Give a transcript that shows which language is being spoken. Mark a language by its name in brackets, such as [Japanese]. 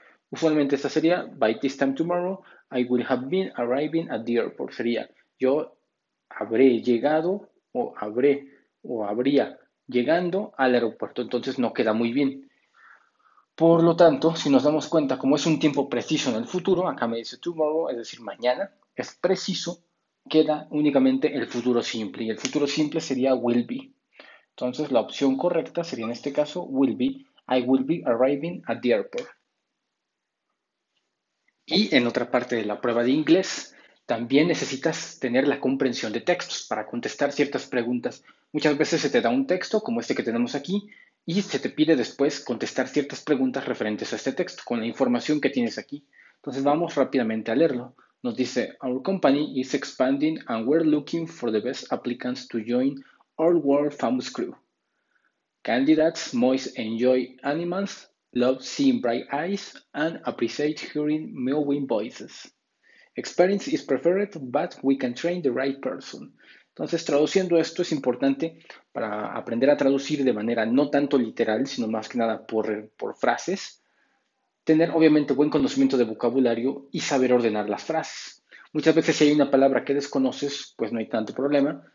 [Spanish] Usualmente esta sería, [English] by this time tomorrow, I will have been arriving at the airport. [Spanish] Sería, yo habré llegado o habré o habría llegando al aeropuerto, entonces no queda muy bien. Por lo tanto, si nos damos cuenta, como es un tiempo preciso en el futuro, acá me dice tomorrow, es decir, mañana, es preciso, queda únicamente el futuro simple, y el futuro simple sería will be. Entonces, la opción correcta sería en este caso [English] will be, I will be arriving at the airport. [Spanish] Y en otra parte de la prueba de inglés, también necesitas tener la comprensión de textos para contestar ciertas preguntas. Muchas veces se te da un texto, como este que tenemos aquí, y se te pide después contestar ciertas preguntas referentes a este texto con la información que tienes aquí. Entonces vamos rápidamente a leerlo. Nos dice, [English] our company is expanding and we're looking for the best applicants to join our world famous crew. Candidates most enjoy animals, love seeing bright eyes, and appreciate hearing mewing voices. Experience is preferred, but we can train the right person. [Spanish] Entonces, traduciendo esto, es importante para aprender a traducir de manera no tanto literal, sino más que nada por frases, tener obviamente buen conocimiento de vocabulario y saber ordenar las frases. Muchas veces si hay una palabra que desconoces, pues no hay tanto problema.